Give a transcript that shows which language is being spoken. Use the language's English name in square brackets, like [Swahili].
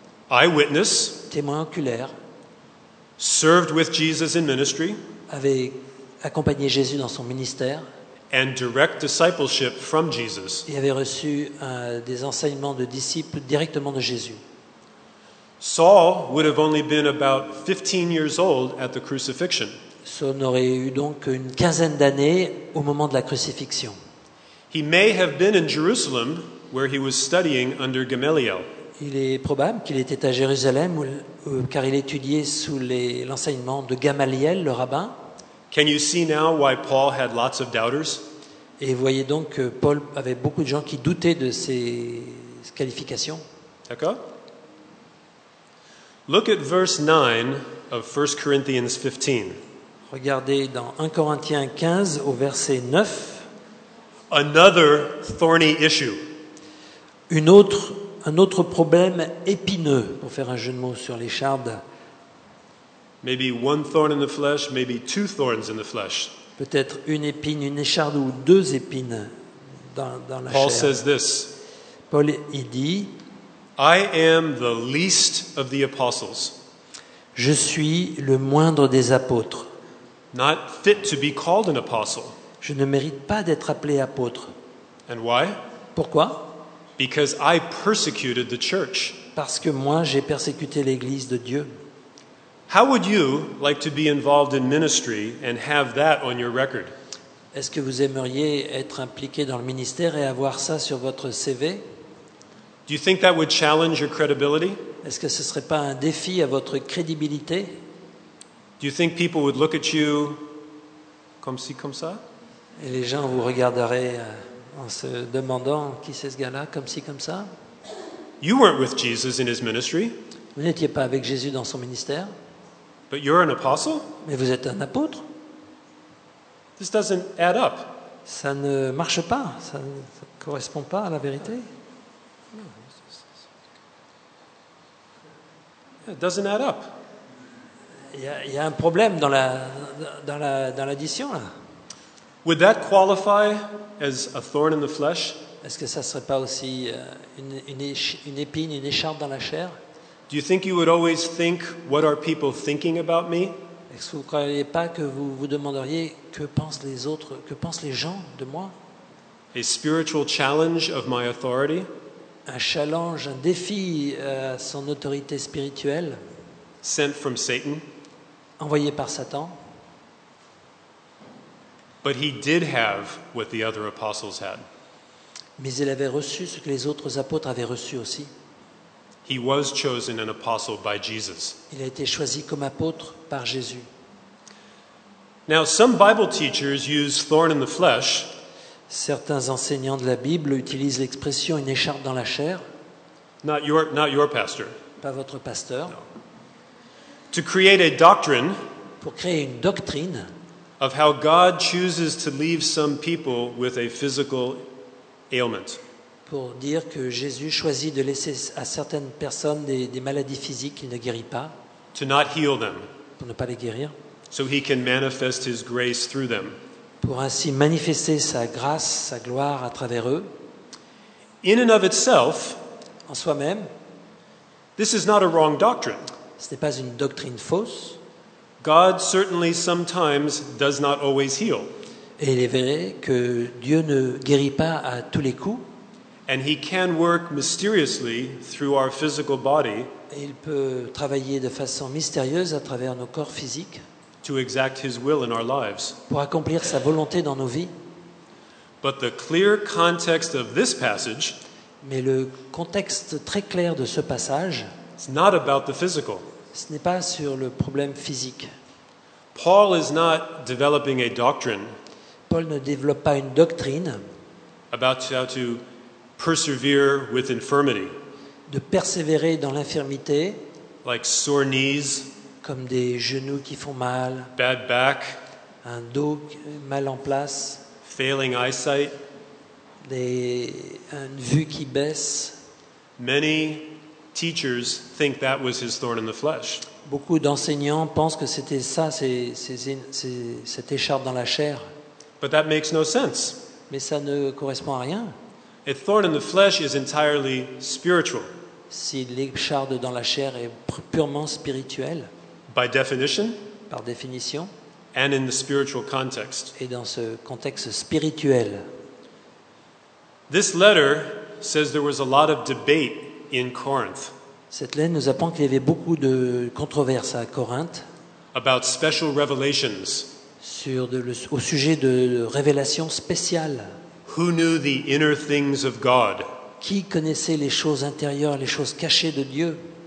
[English] Eyewitness. [French] Témoin oculaire. [English] Served with Jesus in ministry. [French] Avait accompagné Jésus dans son ministère. [English] And direct discipleship from Jesus. [French] Il avait reçu des enseignements de disciples directement de Jésus. [English] Saul would have only been about 15 years old at the crucifixion. [French] Saul n'aurait eu donc qu'une quinzaine d'années au moment de la crucifixion. [English] He may have been in Jerusalem where he was studying under Gamaliel. [French] Il est probable qu'il était à Jérusalem car il étudiait sous l'enseignement de Gamaliel, le rabbin. [English] Can you see now why Paul had lots of doubters? [French] Et voyez donc que Paul avait beaucoup de gens qui doutaient de ses qualifications. D'accord? [English] Look at verse 9 of 1 Corinthians 15. [French] Regardez dans 1 Corinthiens 15 au verset 9. [English] Another thorny issue. [French] Un autre problème épineux, pour faire un jeu de mots sur les chardes. [English] Maybe one thorn in the flesh, maybe two thorns in the flesh. [French] Peut-être une épine, une écharde ou deux épines dans la Paul chair. [English] Paul says this. [French] Paul il dit, [English] I am the least of the apostles. [French] Je suis le moindre des apôtres. [English] Not fit to be called an apostle. [French] Je ne mérite pas d'être appelé apôtre. [English] And why? [French] Pourquoi? [English] Because I persecuted the church. [French] Parce que moi j'ai persécuté l'église de Dieu. [English] How would you like to be involved in ministry and have that on your record? [French] Est-ce que vous aimeriez être impliqué dans le ministère et avoir ça sur votre CV? [English] Do you think that would challenge your credibility? [French] Est-ce que ce serait pas un défi à votre crédibilité? [English] Do you think people would look at you [French] comme si comme ça? Et les gens vous regarderaient en se demandant qui c'est ce gars-là comme si comme ça? [English] You weren't with Jesus in his ministry. [French] Vous n'étiez pas avec Jésus dans son ministère. [English] But you're an apostle? [French] Mais vous êtes un apôtre. [English] This doesn't add up. [French] Ça ne marche pas. Ça ne correspond pas à la vérité. [English] It doesn't add up. [French] Il y a un problème dans l'addition là. [English] Would that qualify as a thorn in the flesh? [French] Est-ce que ça serait pas aussi une épine, une écharpe dans la chair? [English] Do you think you would always think what are people thinking about me? [French] Est-ce que vous ne croyez pas que vous vous demanderiez que pensent les autres, que pensent les gens de moi? [English] A spiritual challenge of my authority? [French] Un challenge, un défi à son autorité spirituelle? [English] Sent from Satan? [French] Envoyé par Satan? [English] But he did have what the other apostles had. [French] Mais il avait reçu ce que les autres apôtres avaient reçu aussi. [English] He was chosen an apostle by Jesus. [French] Il a été choisi comme apôtre par Jésus. [English] Now, some Bible teachers use thorn in the flesh. [French] Certains enseignants de la Bible utilisent l'expression une écharpe dans la chair. [English] Not your pastor. [French] Pas votre pasteur. [English] No. To create a doctrine. [French] Pour créer une doctrine. [English] Of how God chooses to leave some people with a physical ailment. [French] Pour dire que Jésus choisit de laisser à certaines personnes des maladies physiques qu'il ne guérit pas. [English] To not heal them. [French] Pour ne pas les guérir. [English] So he can manifest his grace through them. [French] Pour ainsi manifester sa grâce, sa gloire à travers eux. [English] In and of itself, [French] en soi-même, [English] this is not a wrong doctrine. [French] Ce n'est pas une doctrine fausse. [English] God certainly sometimes does not always heal. [French] Et il est vrai que Dieu ne guérit pas à tous les coups. [English] And he can work mysteriously through our physical body. [French] Et il peut travailler de façon mystérieuse à travers nos corps physiques. [English] To exact his will in our lives. [French] Pour accomplir sa volonté dans nos vies. [English] But the clear context of this passage. [French] Mais le contexte très clair de ce passage. [English] It's not about the physical. [French] Ce n'est pas sur le problème physique. [English] Paul is not developing a doctrine. [French] Paul ne développe pas une doctrine. [English] About how to persevere with infirmity. [French] De persévérer dans l'infirmité. [English] Like sore knees. [French] Comme des genoux qui font mal. [English] Bad back. [French] Un dos mal en place. [English] Failing eyesight. [French] Une vue qui baisse. [English] Many teachers think that was his thorn in the flesh. [French] Beaucoup d'enseignants pensent que c'était ça, cette écharpe dans la chair. [English] But that makes no sense. [French] Mais ça ne correspond à rien. [English] A thorn in the flesh is entirely spiritual. [French] Si l'écharpe dans la chair est purement spirituelle. [English] By definition. [French] Par définition. [English] And in the spiritual context. [French] Et dans ce contexte spirituel. [English] This letter says there was a lot of debate in Corinth. [French] Cette lettre nous apprend qu'il y avait beaucoup de controverses à Corinthe. [English] About special revelations. [French] Au sujet de révélations spéciales. [English] Who knew the inner things of God? [French] Qui connaissait les choses intérieures, les choses cachées de Dieu?